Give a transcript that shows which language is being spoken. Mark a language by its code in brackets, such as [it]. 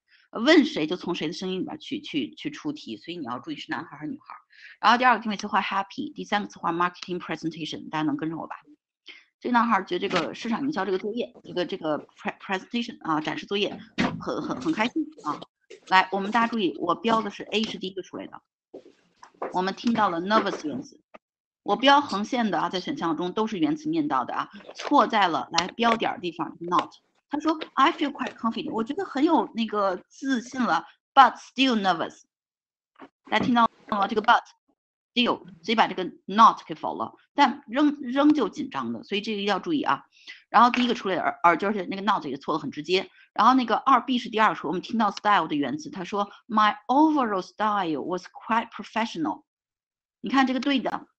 [zh] 问谁就从谁的声音里面去出题，所以你要注意是男孩还是女孩。然后第二个定位词画 happy， 第三个词画 [en] marketing presentation， [zh] 大家能跟着我吧？这男孩觉得这个市场营销这个作业，这个 presentation 啊展示作业很开心啊。来，我们大家注意，我标的是 A 是第一个出来的，我们听到了 nervousness， 我标横线的啊，在选项中都是原词面到的啊，错在了来标点地方 not。他说 ， [en] I feel quite confident， [zh] 我觉得很有那个自信了 ， [en] but still nervous。 [zh] 大家听到了吗？这个 [en] but still， [zh] 所以把这个 not 给否了，但仍旧紧张的，所以这个要注意啊。然后第一个出来的，而就是那个 not 也错的很直接。然后那个二 B 是第二处，我们听到 style 的原词，他说 [en] My overall style was quite professional。 [zh] 你看这个对的。